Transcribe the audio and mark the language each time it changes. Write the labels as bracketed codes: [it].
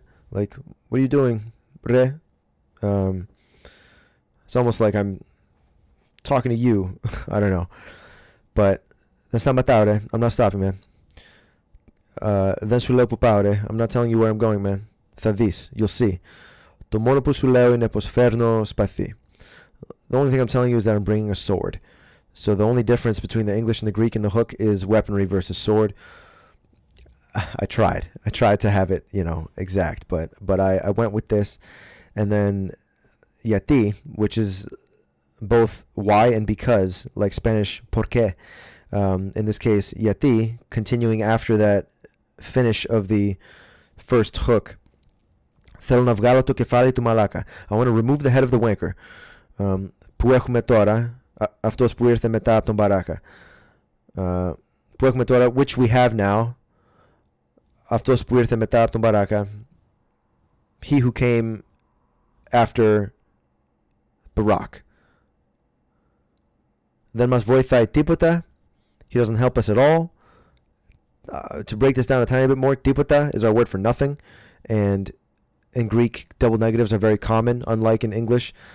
[en] Like, what are you doing? It's almost like I'm talking to you. I don't know. But I'm not stopping, man. I'm not telling you where I'm going, man. You'll see. [el] Το μόνο που σου λέω είναι πως φέρνω σπαθί. [en] The only thing I'm telling you is that I'm bringing a sword. So the only difference between the English and the Greek in the hook is weaponry versus sword. I tried to have it, you know, exact, but I went with this. And then γιατί, which is both why and because, like Spanish porque. In this case, γιατί, continuing after that finish of the first hook. [el] Θέλω να βγάλω το κεφάλι του μαλάκα. [en] I want to remove the head of the wanker. [el] Που έχουμε τώρα, αυτός που ήρθε μετά από τον μπαράκα. Που έχουμε τώρα, [en] which we have now. [el] Αυτός που ήρθε μετά από τον μπαράκα. [en] He who came after Barack. [el] Δεν μας βοηθάει τίποτα. [en] He doesn't help us at all. To break this down a tiny bit more, τίποτα is our word for nothing. And in Greek, double negatives are very common, unlike in English.